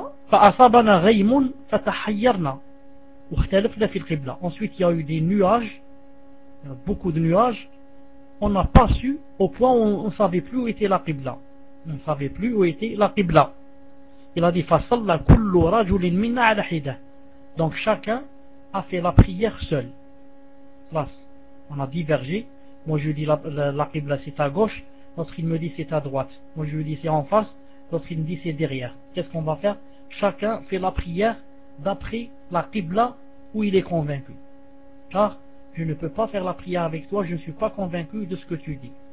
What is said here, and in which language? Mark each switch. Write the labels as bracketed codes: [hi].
[ar] فأصابنا غيم فتحيرنا واختلفنا في القبلة. [fr] Ensuite il y a eu des nuages, beaucoup de nuages. On n'a pas su, au point où on savait plus où était la Qibla. On ne savait plus où était la Qibla. Il a dit [ar] فَصَلَّ كُلُّ رَجُلٍ مِنَّا عَلَى حِدَةٍ. [fr] Donc chacun a fait la prière seul. Là, on a divergé. Moi, je lui dis la qibla c'est à gauche. Lorsqu'il me dit c'est à droite. Moi, je lui dis c'est en face. Lorsqu'il me dit c'est derrière. Qu'est-ce qu'on va faire? Chacun fait la prière d'après la qibla où il est convaincu. Car je ne peux pas faire la prière avec toi, je ne suis pas convaincu de ce que tu dis.